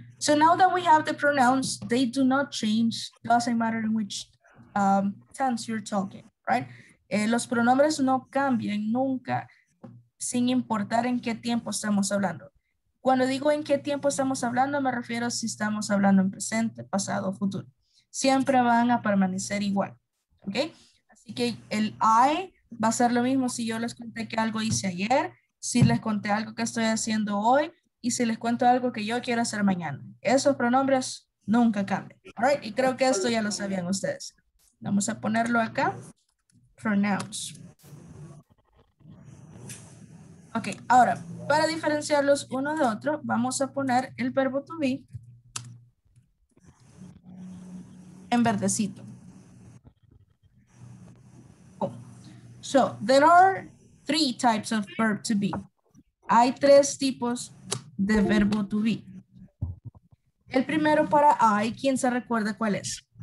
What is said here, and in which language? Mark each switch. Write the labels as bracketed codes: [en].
[en] So now that we have the pronouns, they do not change, doesn't matter in which tense you're talking, right? [es] Los pronombres no cambian nunca, sin importar en qué tiempo estamos hablando. Cuando digo en qué tiempo estamos hablando, me refiero a si estamos hablando en presente, pasado o futuro. Siempre van a permanecer igual, ¿ok? Así que el I va a ser lo mismo si yo les conté que algo hice ayer, si les conté algo que estoy haciendo hoy, y si les cuento algo que yo quiero hacer mañana. Esos pronombres nunca cambian. [en] All right? [es] Y creo que esto ya lo sabían ustedes. Vamos a ponerlo acá. Pronouns. Ok, ahora, para diferenciarlos uno de otro, vamos a poner el verbo to be en verdecito. [en] So, there are three types of verb to be. [es] Hay tres tipos de verbo to be. El primero para I, ¿quién se recuerda cuál es?